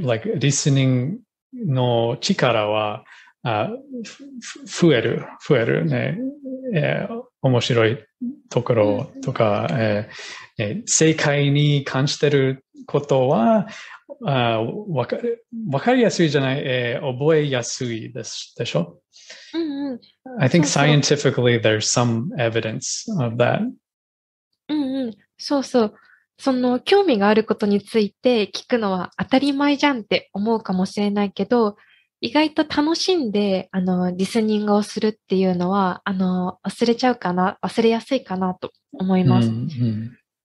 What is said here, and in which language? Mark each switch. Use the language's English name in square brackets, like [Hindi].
[Japanese] like, リスニングの力は、増えるね。面白いところとか、正解に感じてることは、わかりやすいじゃない、覚えやすいでしょ、うんうん、 [English] I think scientifically there's some evidence of that. [Japanese] うんうん、そうそう。その興味があることについて聞くのは当たり前じゃんって思うかもしれないけど、意外と楽しんで、あの、リスニングをするっていうのは、あの、忘れやすいかなと思います。うんうん、